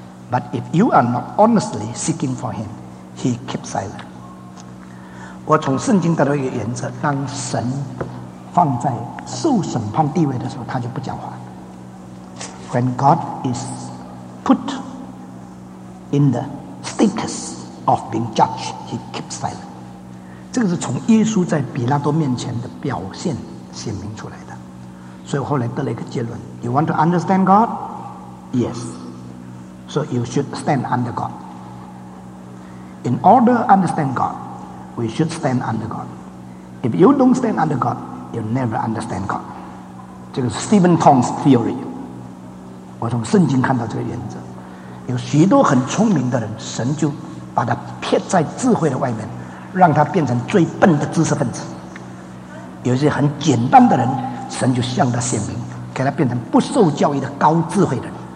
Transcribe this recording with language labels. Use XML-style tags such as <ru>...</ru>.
<en>But if you are not honestly seeking for him, he keeps silent.</en> <zh>我从圣经得到一个原则，当神放在受审判地位的时候，他就不讲话。</zh> <en>When God is put in the status of being judged, he keeps silent.</en> <zh>这个是从耶稣在比拉多面前的表现显明出来的，所以我后来得了一个结论</zh> <en>You want to understand God? Yes. So you should stand under God. In order to understand God, we should stand under God. If you don't stand under God, you'll never understand God.</en> <zh>这个是 Stephen Tong's theory. 我从圣经看到这个原则，有许多很聪明的人，神就把他撇在智慧的外面，让他变成最笨的知识分子，有些很简单的人，神就向他显明，给他变成不受教育的高智慧的人。</zh>